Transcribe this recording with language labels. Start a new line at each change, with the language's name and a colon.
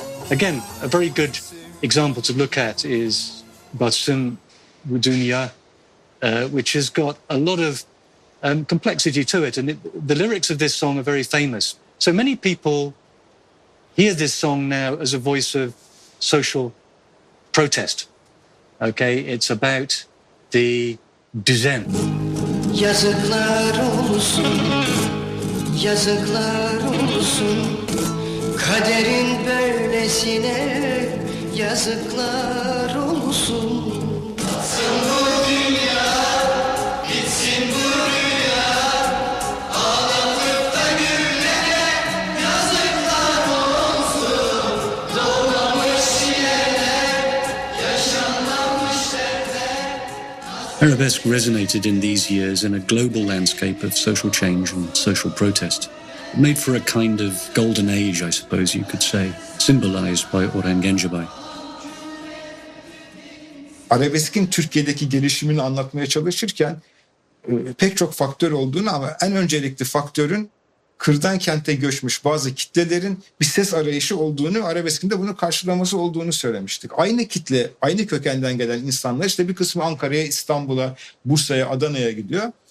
English: Again, a very good example to look at is Bahçem Dünya, which has got a lot of complexity to it. And the lyrics of this song are very famous. So many people hear this song now as a voice of social protest. Okay, it's about the düzen.
Turkish: Yazıklar olsun, yazıklar olsun. Kaderin böylesine yazıklar olsun. Batsın bu dünya, bitsin bu rüya. Ağlanıp da gülmeye yazıklar olsun. Doğmamış yine, yaşanmamış derde.
English: Arabesque resonated in these years in a global landscape of social change and social protest. Made for a kind of golden age, I suppose you could say, symbolized by Orhan Gencebay.
Turkish: Arabesk'in Türkiye'deki gelişimini anlatmaya çalışırken pek çok faktör olduğunu ama en öncelikli faktörün kırdan kente göçmüş bazı kitlelerin bir ses arayışı olduğunu, arabeskin de bunu karşılaması olduğunu söylemiştik. Aynı kitle, aynı kökenden gelen insanlar işte bir kısmı Ankara'ya, İstanbul'a, Bursa'ya, Adana'ya gidiyor.